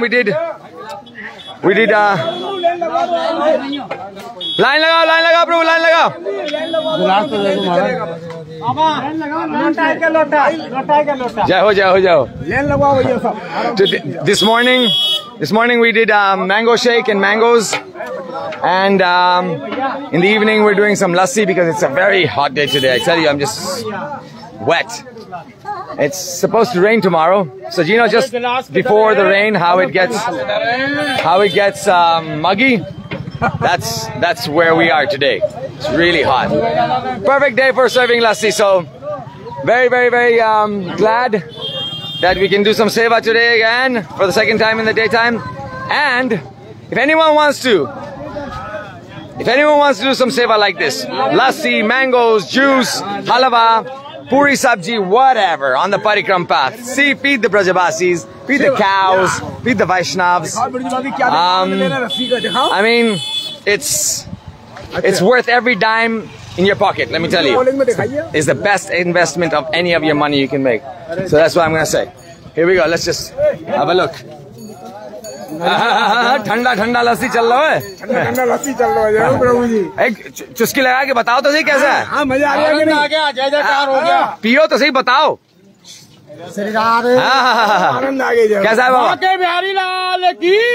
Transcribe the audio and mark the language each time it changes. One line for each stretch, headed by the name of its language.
English: we did
Hindi: line लगाओ, line लगाओ प्रभु, line लगाओ. जय हो, जय हो, जय हो.
English: This morning we did mango shake and mangoes and in the evening we doing some lassi because it's a very hot day today. I tell you I am just wet. It's supposed to rain tomorrow, so you know just before the rain how it gets muggy. That's where we are today. It's really hot. Perfect day for serving lassi. So very very very glad that we can do some seva today again for the second time in the daytime. And if anyone wants to do some seva like this, lassi, mangoes, juice, halwa, puri, sabji, whatever, on the parikram path. See, feed the brajavasis, feed the cows, feed the Vaishnavs. I mean, it's worth every dime in your pocket, let me tell you. It's the best investment of any of your money you can make. So that's what I'm going to say. Here we go, let's just have a look.
Hindi: ठंडा ठंडा लस्सी चल रहा है, ठंडा लस्सी चल रहा है प्रभु जी. एक चुस्की लगा के बताओ तो सही कैसा है. हाँ मजा आ गया कि नहीं. आ गया, जय जयकार हो गया. पियो तो सही बताओ. सरकार आनंद आ गया. कैसा है बाबा. के बिहारी लाल की